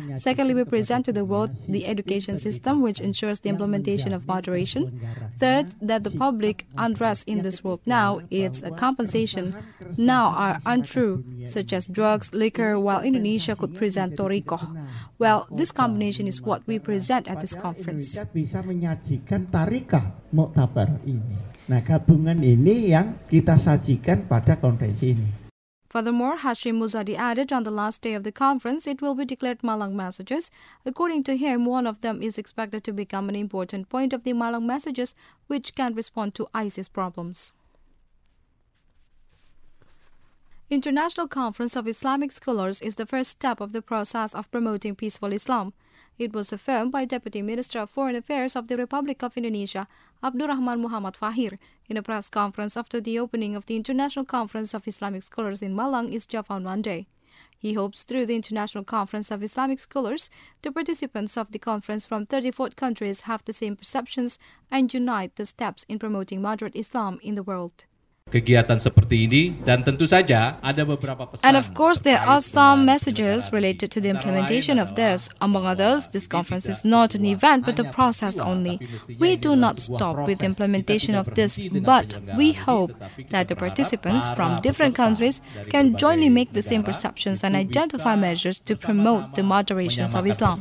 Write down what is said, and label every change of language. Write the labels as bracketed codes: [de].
[en] Secondly, we present to the world the education system which ensures the implementation of moderation. Third, that the public unrest in this world now is a compensation. Now are untrue, such as drugs, liquor, while Indonesia could present toriko. Well, this combination is what we present at this conference. [id] Indonesia bisa menyajikan tarikah muktabar ini. Nah, gabungan ini yang kita sajikan pada konferensi ini. [en] Furthermore, Hashim Muzadi added, on the last day of the conference, it will be declared Malang messages. According to him, one of them is expected to become an important point of the Malang messages, which can respond to ISIS problems. International Conference of Islamic Scholars is the first step of the process of promoting peaceful Islam. It was affirmed by Deputy Minister of Foreign Affairs of the Republic of Indonesia, Abdurrahman Muhammad Fahir, in a press conference after the opening of the International Conference of Islamic Scholars in Malang, East Java on Monday. He hopes through the International Conference of Islamic Scholars, the participants of the conference from 34 countries have the same perceptions and unite the steps in promoting moderate Islam in the world. [id] Kegiatan seperti ini dan tentu saja ada beberapa pesan. [en] And of course there are some messages related to the implementation of this. Among others, this conference is not an event but a process only. We do not stop with implementation of this, but we hope that the participants from different countries can jointly make the same perceptions and identify measures to promote the moderation of Islam.